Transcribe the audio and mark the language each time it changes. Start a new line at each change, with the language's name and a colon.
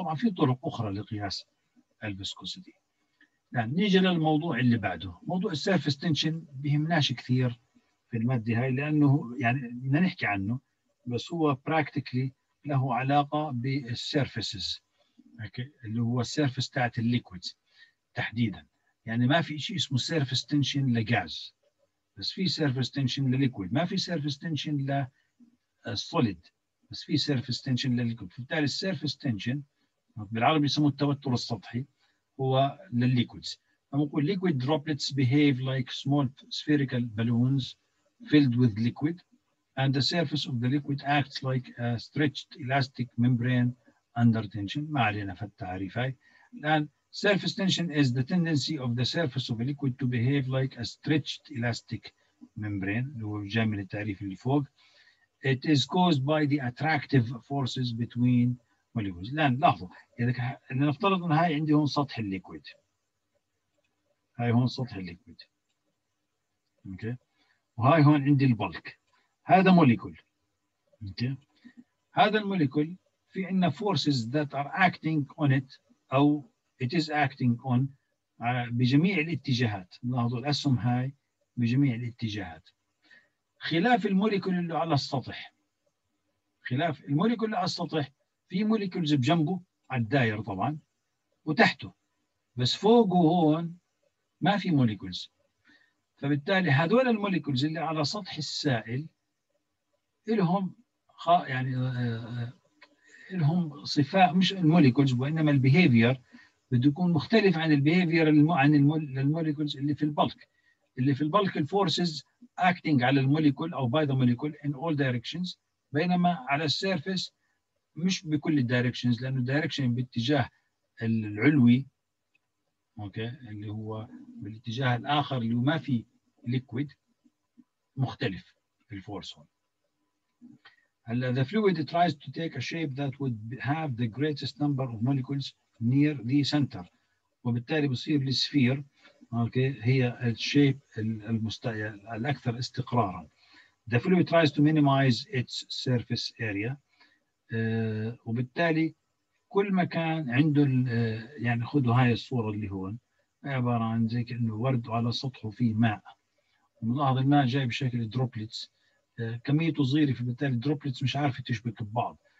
Arabic: طبعا في طرق أخرى لقياس الفيسكوسيتي. نعم نيجي للموضوع اللي بعده، موضوع السيرفس تنشن بيهمناش كثير في المادة هاي لأنه يعني بدنا نحكي عنه بس هو براكتيكلي له علاقة بالسيرفسز اللي هو السيرفس تاعت الليكويدز تحديدا، يعني ما في شيء اسمه سيرفس تنشن لغاز بس في سيرفس تنشن لليكويد، ما في سيرفس تنشن solid بس في surface tension للليكويد. فبالتالي surface tension بالعربي يسموه التوتر السطحي هو للليكويدز. فمقول
English: liquid droplets behave like small spherical balloons filled with liquid and the surface of the liquid acts like a stretched elastic membrane under tension.
Arabic: ما علينا في التعريف هاي.
English: الآن surface tension is the tendency of the surface of a liquid to behave like a stretched elastic membrane
Arabic: اللي هو جاي من التعريف اللي فوق.
English: It is caused by the attractive forces between molecules.
Arabic: الآن لاحظوا إذا نفترض أن هاي عندي هون سطح الليكويد. هاي هون سطح الليكويد. Okay. وهاي هون عندي البلك. هذا موليكول. Okay. هذا الموليكول في عندنا
English: forces that are acting on it أو it is acting on
Arabic: بجميع الاتجاهات. لاحظوا الأسهم هاي بجميع الاتجاهات. خلاف الموليكول اللي على السطح. خلاف الموليكول اللي على السطح في موليكولز بجنبه على الدائرة طبعا وتحته. بس فوقه هون ما في موليكولز. فبالتالي هذول الموليكولز اللي على سطح السائل لهم يعني لهم صفاء مش الموليكولز وإنما البيهيفير بده يكون مختلف عن البيهيفير عن الموليكولز اللي في البلك. اللي في البلك الفورسز acting على الموليكول أو
English: by the molecule in all directions
Arabic: بينما على السيرفيس مش بكل الدايركشنز لأنه الدايركشن باتجاه العلوي أوكي اللي هو بالاتجاه الآخر اللي ما في ليكويد مختلف في الفورس هون.
English: هلا the fluid tries to take a shape that would have the greatest number of molecules near the center
Arabic: وبالتالي بصير السفير اوكي هي الشيب الاكثر استقرارا.
English: The fluid tries to minimize its surface area
Arabic: وبالتالي كل مكان عنده يعني خذوا هاي الصوره اللي هون عباره عن زي كانه ورد على سطحه فيه ماء وملاحظ الماء جاي بشكل دروبليتس كميته صغيره فبالتالي دروبليتس مش عارفه تشبك ببعض.